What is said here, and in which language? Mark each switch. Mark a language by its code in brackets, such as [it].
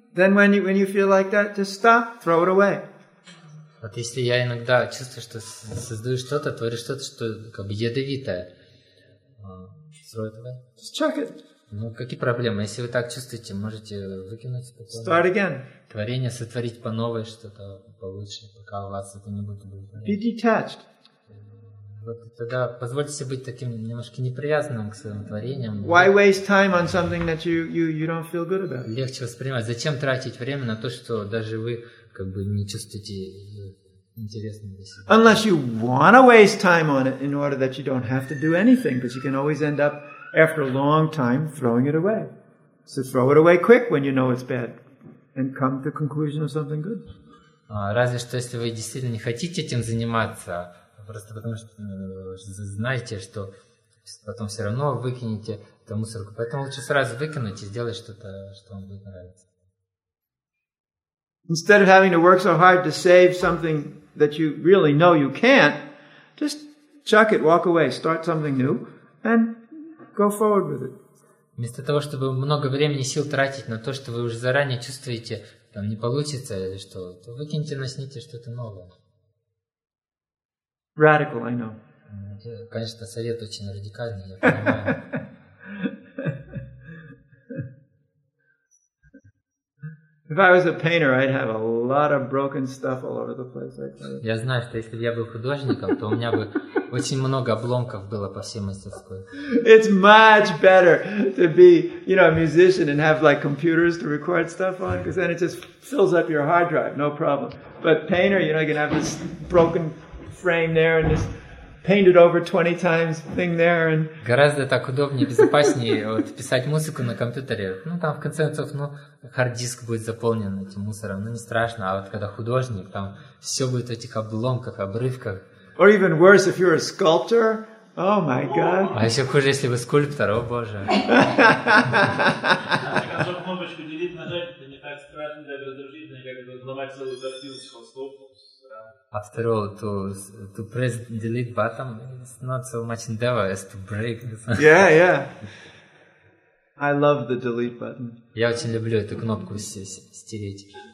[en] Then when you feel like that, just stop, throw it away. [ru] Вот если я иногда чувствую, что создаю что-то, творю что-то, что как бы ядовитое, [en] throw it away. Just chuck it. [ru] Ну, какие проблемы? Если вы так чувствуете, можете выкинуть спокойно. [en] Start again. [ru] Творение сотворить по новой, что-то получше, пока у вас это не будет. [en] Be detached. [ru] Вот тогда позвольте себе быть таким немножко непривязанным к своим творениям. [en] Why waste time on something that you don't feel good about? [ru] Легче воспринимать. Зачем тратить время на то, что даже вы как бы не чувствуете интересным для себя? [en] Unless you want to waste time on it in order that you don't have to do anything, because you can always end up after a long time throwing it away. So throw it away quick when you know it's bad, and come to the conclusion of something good. [ru] Разве что если вы действительно не хотите этим заниматься. Просто потому что знаете, что потом все равно выкинете эту мусорку. Поэтому лучше сразу выкинуть и сделать что-то, что вам будет нравиться. [en] Instead of having to work so hard to save something that you really know you can't, just chuck it, walk away, start something new, and go forward with it. [ru] Вместо того, чтобы много времени и сил тратить на то, что вы уже заранее чувствуете, там не получится или что, то выкиньте, начните что-то новое. [en] Radical, I know. [ru] Конечно, совет очень радикальный, я понимаю. [en] If I was a painter, I'd have a lot of broken stuff all over the place. [ru] Я знаю, что если бы я был художником, то у меня бы очень много обломков было по всей мастерской. [en] It's much better to be, you know, a musician and have like computers to record stuff on, because then it just fills up your hard drive, no problem. But painter, you know, you can have this broken frame there and just painted over 20 times thing there and [ru] гораздо так удобнее, безопаснее вот писать музыку на компьютере. Ну там в конце концов, ну хард-диск будет заполнен этим мусором, ну не страшно. А вот когда художник, там все будет в этих обломках, обрывках. [en] Or even worse if you're a sculptor. Oh my god. [ru] А еще хуже, если вы скульптор. О, боже. Если кнопочку delete нажать, это не так страшно для разрушения, как взломать целую картину с холстом. [en] After all, to press delete button, it's not so much endeavor as to break. Yeah, yeah. I love the delete button. [ru] Я очень люблю эту кнопку стереть.